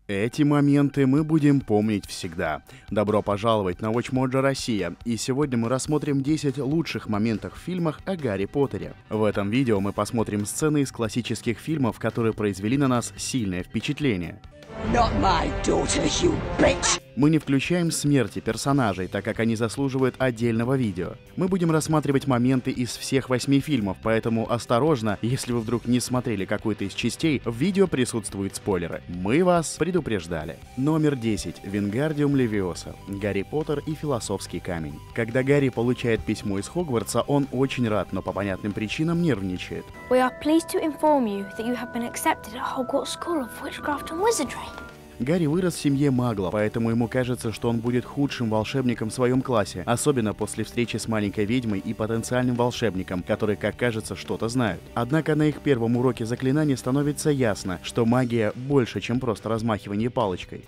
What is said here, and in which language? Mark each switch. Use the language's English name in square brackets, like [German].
[Russian] Эти моменты мы будем помнить всегда. Добро пожаловать на WatchMojo Россия, и сегодня мы рассмотрим 10 лучших моментов в фильмах о Гарри Поттере. В этом видео мы посмотрим сцены из классических фильмов, которые произвели на нас сильное впечатление. [English] Not my daughter, you bitch. [Russian] Мы не включаем смерти персонажей, так как они заслуживают отдельного видео. Мы будем рассматривать моменты из всех 8 фильмов, поэтому осторожно, если вы вдруг не смотрели какую-то из частей, в видео присутствуют спойлеры. Мы вас предупреждали. Номер 10. Вингардиум Левиоса. Гарри Поттер и Философский камень. Когда Гарри получает письмо из Хогвартса, он очень рад, но по понятным причинам нервничает. [English] We are pleased to inform you that you have been accepted at Hogwarts School of Witchcraft and Wizardry. [Russian] Гарри вырос в семье маглов, поэтому ему кажется, что он будет худшим волшебником в своем классе, особенно после встречи с маленькой ведьмой и потенциальным волшебником, которые, как кажется, что-то знают. Однако на их первом уроке заклинаний становится ясно, что магия больше, чем просто размахивание палочкой.